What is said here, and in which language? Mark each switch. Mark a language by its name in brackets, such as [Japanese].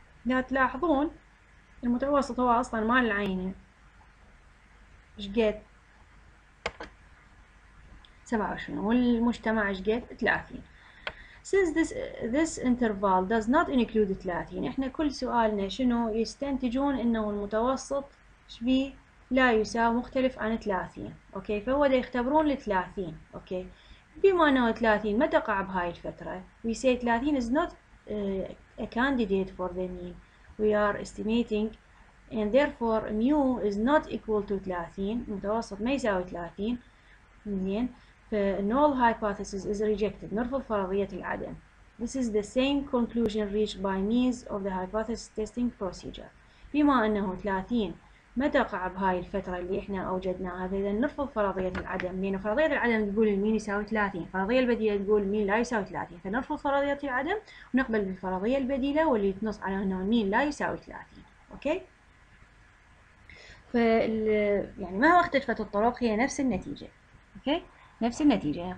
[Arabic] لو تلاحظون المتوسط هو أصلا مال العينة شقد؟ 27، والمجتمع شقد؟ 30. [English] Since this interval does not include 30، [Arabic] احنا كل سؤالنا شنو يستنتجون؟ انه المتوسط شبي لا يساوي مختلف عن 30، اوكي، فهو دا يختبرون ال 30، اوكي. بما انه 30 ما تقع بهاي الفترة، [English] we say 30 is not a candidate for the mean we are estimating and therefore mu is not equal to 30، [Arabic] المتوسط ما يساوي 30. منين؟ [English] null hypothesis is rejected، [Arabic] نرفض فرضية العدم. [English] This is the same conclusion reached by means of the hypothesis testing procedure. [Arabic] بما أنه 30 ما تقع بهاي الفترة اللي إحنا أوجدناها، إذا نرفض فرضية العدم، لأن فرضية العدم تقول المين يساوي 30، فرضية البديلة تقول المين لا يساوي 30، فنرفض فرضية العدم ونقبل بالفرضية البديلة واللي تنص على أنه المين لا يساوي 30، أوكي؟ فال يعني مهما اختلفت الطرق هي نفس النتيجة، أوكي؟ نفس النتيجة.